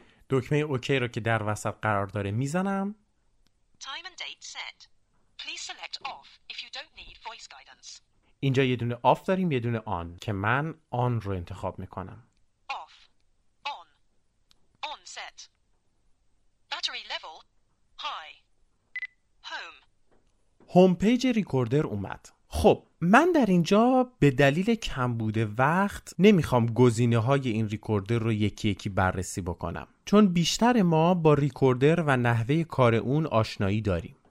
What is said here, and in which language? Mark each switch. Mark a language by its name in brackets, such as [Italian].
[Persian] دکمه اوکی رو که در وسط قرار داره میزنم. [English] Time and date set. Please select off if you don't need voice guidance. [Persian] اینجا یه دونه آف داریم، یه دونه آن که من آن رو انتخاب میکنم. [English] Off. On. On set. Battery level high. [Persian] هوم پیج ریکوردر اومد. خب من در اینجا به دلیل کمبود وقت نمیخوام گزینه های این ریکوردر رو یکی یکی بررسی بکنم، چون بیشتر ما با ریکوردر و نحوه کار اون آشنایی داریم.